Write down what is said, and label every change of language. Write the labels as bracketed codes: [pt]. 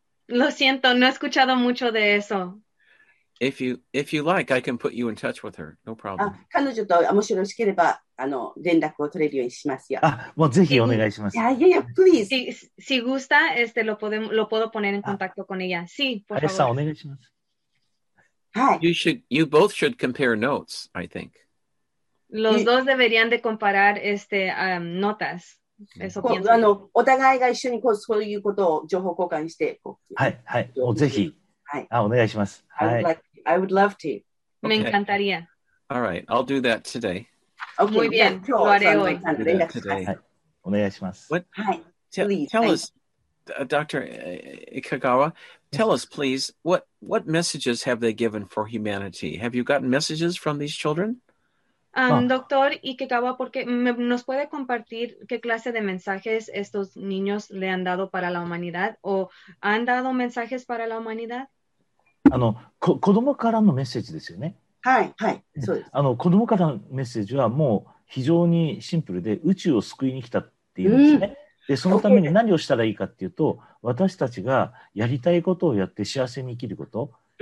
[es] Lo siento, no he escuchado mucho de eso. [en] If you like, I can put you in touch with her. No problem. [ja] 彼女ともしよろしければ連絡を取れるようにしますよ。もうぜひお願いします。 [en] Yeah, please. [es] Si gusta, lo puedo poner en contacto con ella. Sí, por favor. [ja] Alessa, お願いします。はい。 [en] You both should compare notes, I think. [es] Los dos deberían de comparar notas. [ja] お互いが一緒にこうそういうことを情報交換してこうはいはいおぜひ、はい、あお願いします、はい、 [en] I would love to、 [es] okay. me encantaría [en] all right I'll do that today okay, [es] muy bien lo haré hoy [ja] お願いしますはい please [en] tell us Dr. Ikagawa tell us please what messages have they given for humanity have you gotten messages from these children [es] Doctor Ikegawa, ¿por qué nos puede compartir qué clase de mensajes estos niños le han dado para la humanidad? ¿O han dado mensajes para la humanidad? [ja] 子供からのメッセージですよね。はい、はい、そうです。子供からのメッセージはもう非常にシンプルで、宇宙を救いに来たっていうんですね。で、そのために何をしたらいいかっていうと、私たちがやりたいことをやって幸せに生きること。